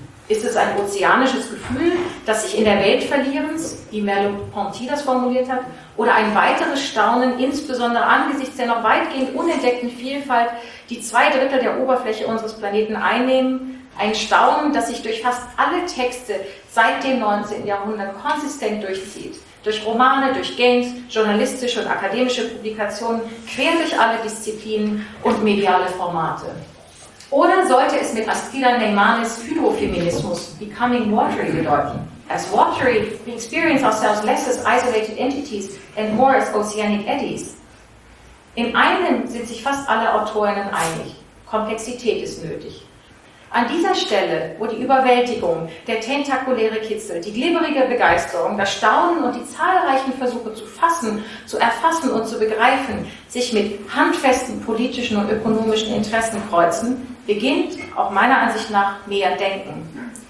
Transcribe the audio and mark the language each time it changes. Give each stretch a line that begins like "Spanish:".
German: Ist es ein ozeanisches Gefühl, das sich in der Welt verlierens, wie Merleau-Ponty das formuliert hat, oder ein weiteres Staunen, insbesondere angesichts der noch weitgehend unentdeckten Vielfalt, die 2/3 der Oberfläche unseres Planeten einnehmen, ein Staunen, das sich durch fast alle Texte seit dem 19. Jahrhundert konsistent durchzieht, durch Romane, durch Games, journalistische und akademische Publikationen, quer durch alle Disziplinen und mediale Formate. Oder sollte es mit Astrida Neymanes Hydrofeminismus Becoming Watery bedeuten?
English: As watery, we experience ourselves less as isolated entities and more as oceanic eddies.
German: In einem sind sich fast alle Autorinnen einig. Komplexität ist nötig. An dieser Stelle, wo die Überwältigung, der tentakuläre Kitzel, die glibberige Begeisterung, das Staunen und die zahlreichen Versuche zu fassen, zu erfassen und zu begreifen, sich mit handfesten politischen und ökonomischen Interessen kreuzen, beginnt, auch meiner Ansicht nach, mehr Denken.